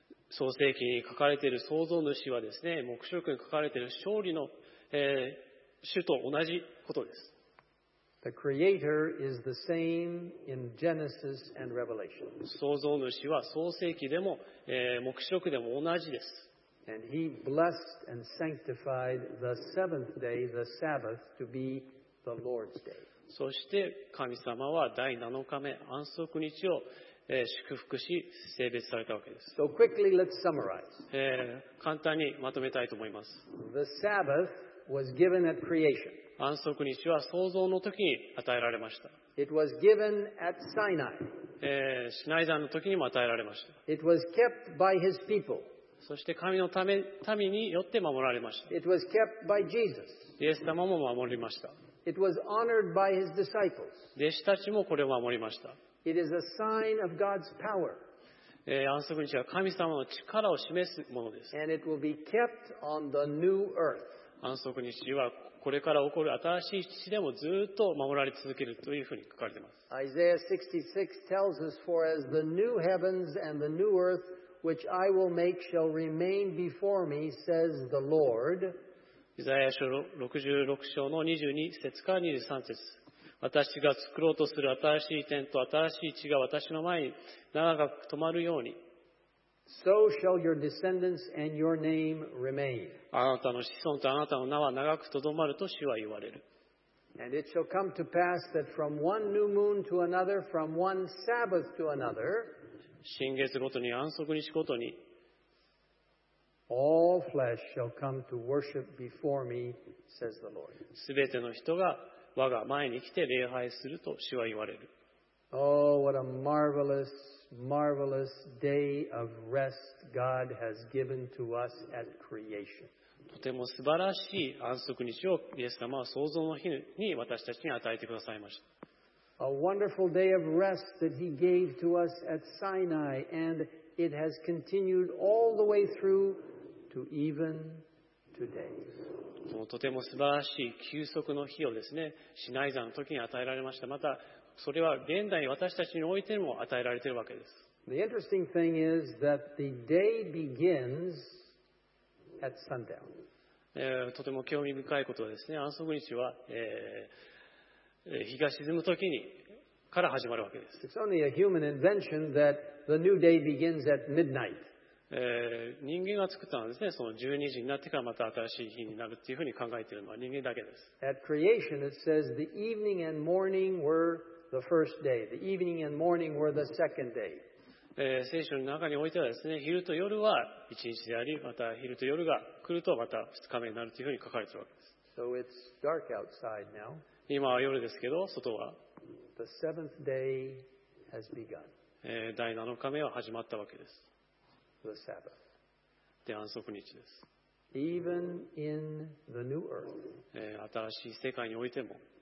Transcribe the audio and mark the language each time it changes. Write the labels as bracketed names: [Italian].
[Japanese] 創世記に書かれている創造主はですね、黙示録に書かれている勝利の、主と同じことです。 [English] The Creator is the same in Genesis and Revelation. [Japanese] 創造主は創世記でも、黙示録でも同じです。 [English] And He blessed and sanctified the seventh day, the Sabbath, to be the Lord's day. [Japanese] そして神様は第7日目、安息日を、祝福し、聖別されたわけです。 [English] So quickly, let's summarize. [Japanese] 簡単にまとめたいと思います。 [English] The Sabbath was given at creation. [Japanese] 安息日は創造の時に与えられました。 [English] It was given at Sinai. [Japanese] シナイ山の時にも与えられました。 [English] It was kept by his people. [Japanese] そして神のため、民によって守られました。 [English] It was kept by Jesus. [Japanese] イエス様も守りました。 [English] It was honored by his disciples. [Japanese] 弟子たちもこれを守りました。 [English] It is a sign of God's power. [Japanese] 安息日は神様の力を示すものです。 [English] And it will be kept on the new earth. [Japanese] 安息日はこれから起こる新しい地でもずっと守られ続けるというふうに書かれています。 [English] Isaiah 66 tells us, For as the new heavens and the new earth which I will make shall remain before me, says the Lord. [Japanese] Isaiah 66章の22節から23節。私が作ろうとする新しい天と新しい地が私の前に長く止まるように。 [English] So shall your descendants and your name remain. [Japanese] あなたの子孫とあなたの名は長くとどまると主は言われる。 [English] And it shall come to pass that from one new moon to another, from one Sabbath to another, [Japanese] 新月ごとに安息日ごとに、 [English] all flesh shall come to worship before me, says the Lord. [Japanese] すべての人が我が前に来て礼拝すると主は言われる。 [English] Oh, what a marvelous, marvelous day of rest God has given to us at creation. [Japanese] とても素晴らしい安息日をイエス様は創造の日に私たちに与えてくださいました。 [English] A wonderful day of rest that He gave to us at Sinai, and it has continued all the way through to even today. [Japanese] そのとても素晴らしい休息の日をですね、シナイ山の時に与えられました。またそれは現代に私たちにおいても与えられているわけです。 [English] The interesting thing is that the day begins at sundown. [Japanese] とても興味深いことはですね、安息日は、日が沈むときにから始まるわけです。 [English] It's only a human invention that the new day begins at midnight. [Japanese] 人間が作ったのはですね、その12時になってからまた新しい日になるっていうふうに考えているのは人間だけです。 [English] At creation, it says the evening and morning were the first day. The evening and morning were the second day. [Japanese] 聖書の中においてはですね、昼と夜は1日であり、また昼と夜が来るとまた2日目になるというふうに書かれているわけです。 [English] So it's dark outside now. [Japanese] 今は夜ですけど、外は。 [English] The seventh day has begun. [Japanese] 第7日目は始まったわけです。 [English] The Sabbath. [Japanese] で、安息日です。 [English] Even in the new earth, [Japanese] 新しい世界においても、